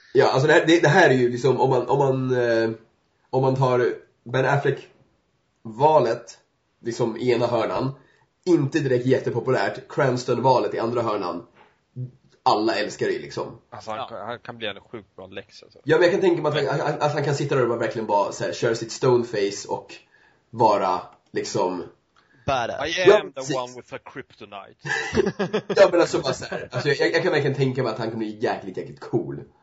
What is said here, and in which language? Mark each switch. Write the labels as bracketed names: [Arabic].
[Swedish] Ja, alltså det här är ju liksom, om man tar Ben Affleck-valet liksom i ena hörnan, inte direkt jättepopulärt, Cranston-valet i andra hörnan, alla älskar det liksom. Alltså han kan bli en sjukt bra Lex, alltså. Ja, men jag kan tänka mig att han kan sitta där och verkligen bara så här, köra sitt stone face och vara liksom badass. [English] I am the one with a kryptonite. [Swedish] Ja, men alltså bara så här. Alltså, jag kan verkligen tänka mig att han kommer bli jäkligt, jäkligt cool.